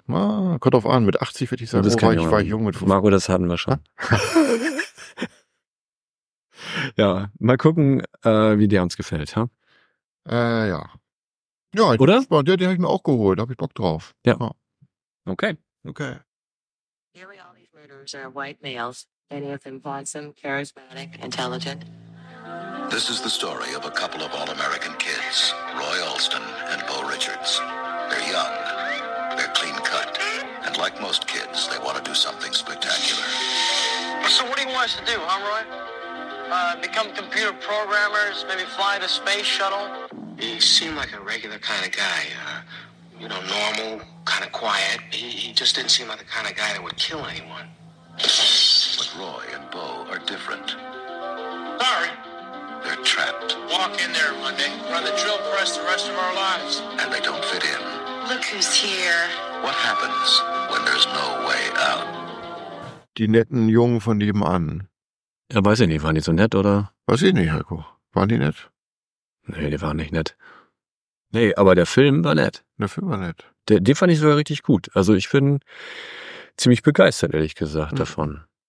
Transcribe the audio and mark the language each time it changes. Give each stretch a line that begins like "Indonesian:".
German: Na, kommt auf an, mit 80 würde ich sagen, war ich jung mit 50. Marco, das hatten wir schon. Ja, mal gucken, wie der uns gefällt. Ha? Ja. Ja, oder? Den habe ich mir auch geholt, da habe ich Bock drauf. Ja. Ja. Okay. Okay.
English: Here we all these murderers are white males. Any of them awesome, charismatic, intelligent? This is the story of a couple of all-American kids, Roy Alston and Bo Richards. They're young, they're clean-cut, and like most kids, they want to do something spectacular. So what do you want us to do, huh, Roy? Become computer programmers, maybe fly the space shuttle? He seemed like a regular kind of guy, you know, normal, kind of quiet. He just didn't seem like the kind of guy that would kill anyone. But Roy and Bo are different. Sorry. They're trapped. Walk in there, Monday. Run the drill for us the rest of our lives. And they don't fit in. Look who's here. What happens when there's no way out?
German: Die netten Jungen von nebenan. Ja, weiß ich nicht. Waren die so nett, oder? Weiß ich nicht, Heiko. Waren die nett? Nee, die waren nicht nett. Nee, aber der Film war nett. Der Film war nett. Den fand ich sogar richtig gut. Also ich bin ziemlich begeistert, ehrlich gesagt, davon.